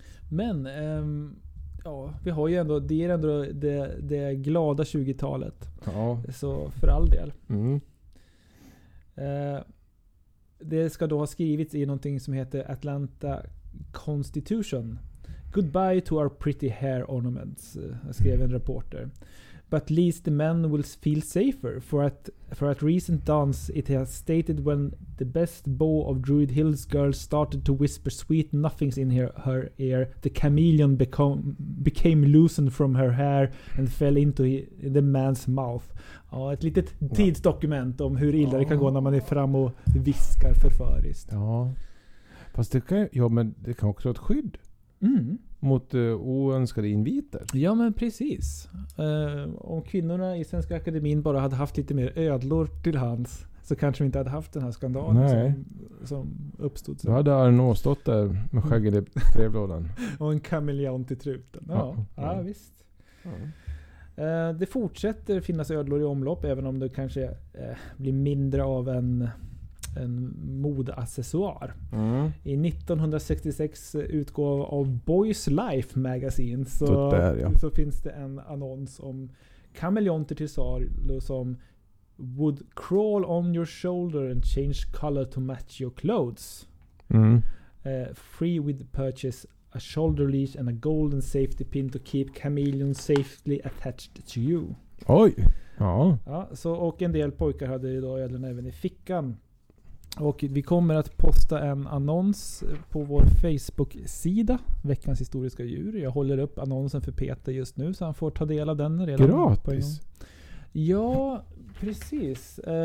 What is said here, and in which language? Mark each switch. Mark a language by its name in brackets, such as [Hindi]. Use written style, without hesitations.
[Swedish] Men ja, vi har ju ändå, det är ändå det glada 20-talet. Ja. Så för all del. Mm. Det ska då ha skrivits i någonting som heter Atlanta Constitution. [English] Goodbye to our pretty hair ornaments, [Swedish] skrev en reporter. [English] But at least the men will feel safer for at recent dance it has stated when the best beau of Druid Hills girls started to whisper sweet nothings in her ear, the chameleon became loosened from her hair and fell into the man's mouth. [Swedish] Ja, ett litet tidsdokument om hur illa det kan gå när man är fram och viskar förföriskt. Ja, fast det kan, ja, men det kan också vara ett skydd. Mm. Mot oönskade inviter. Ja, men precis. Om kvinnorna i Svenska Akademin bara hade haft lite mer ödlor till hands så kanske vi inte hade haft den här skandalen. Nej. Som uppstod. Då hade Arno stått där med skägg i brevlådan. Och en kameleont i truten. Ja, ja. Ja, visst. Ja. Det fortsätter finnas ödlor i omlopp även om det kanske blir mindre av en modeaccessoar. Mm. I 1966 utgåva av Boys Life Magazine så finns det en annons om kameleonter till salu som [English] would crawl on your shoulder and change color to match your clothes. Free with purchase a shoulder leash and a golden safety pin to keep chameleon safely attached to you. [Swedish] Oj. Ja. Ja, så, och en del pojkar hade ju då ödlorna även i fickan. Och vi kommer att posta en annons på vår Facebook-sida, Veckans historiska djur. Jag håller upp annonsen för Peter just nu så han får ta del av den redan. Gratis? Ja, precis.